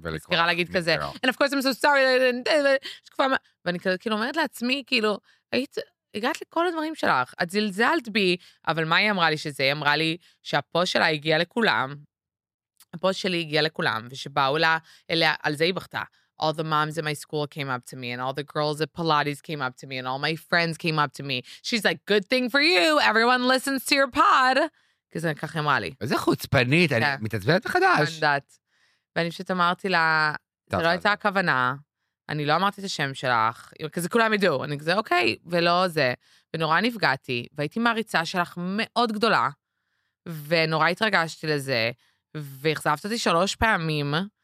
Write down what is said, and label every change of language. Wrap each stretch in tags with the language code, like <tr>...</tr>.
<he>נזכרה להגיד כזה,</he> <en>and of course I'm so sorry,</en> <he>ואני כאילו אומרת לעצמי, כאילו, הגעת לכל הדברים שלך, את זלזלת בי, אבל מה היא אמרה לי שזה? היא אמרה לי שהפוסט שלה הגיע לכולם, הפוסט שלי הגיע לכולם, ושבאו לה, על זה היא בכתה.</he> <en>All the moms in my school came up to me and all the girls at Pilates came up to me and all my friends came up to me. She's like, good thing for you. Everyone listens to your pod.</en> <he>כזה ככה אמרה לי. איזה חוצפנית, אני מתעצבנת מחדש. ואני פשוט אמרתי לה, זה לא הייתה הכוונה, אני לא אמרתי את השם שלך, כזה כולם ידעו. אני כזה, אוקיי, ולא זה. ונורא נפגעתי, והייתי מעריצה שלך מאוד גדולה, ונורא התרגשתי לזה, והחזבת אותי שלוש פעמים,</he>